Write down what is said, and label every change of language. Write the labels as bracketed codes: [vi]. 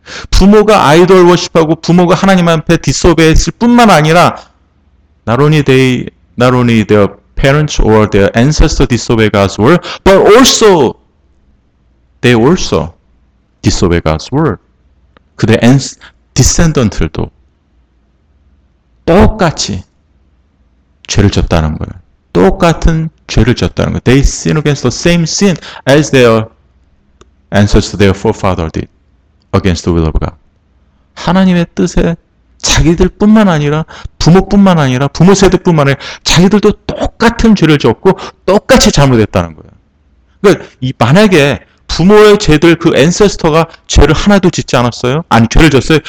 [ko] 부모가 아이돌 워십하고 부모가 하나님 앞에 디스오베이했을 뿐만 아니라, [en] not only their parents or their ancestors disobey God's word, but also they also disobey God's word. [ko] 그들의 descendant들도 똑같이 죄를 졌다는 거예요. 똑같은 죄를 졌다는 거예요. [en] They sin against the same sin as their ancestors, their forefather did against the will of God. [ko] 하나님의 뜻에 자기들뿐만 아니라 부모뿐만 아니라 부모 세대뿐만 아니라 자기들도 똑같은 죄를 졌고 똑같이 잘못했다는 거예요. 그러니까 이 만약에 부모의 죄들 그 앤세스터가 죄를 하나도 짓지 않았어요? 아니 죄를 졌어요.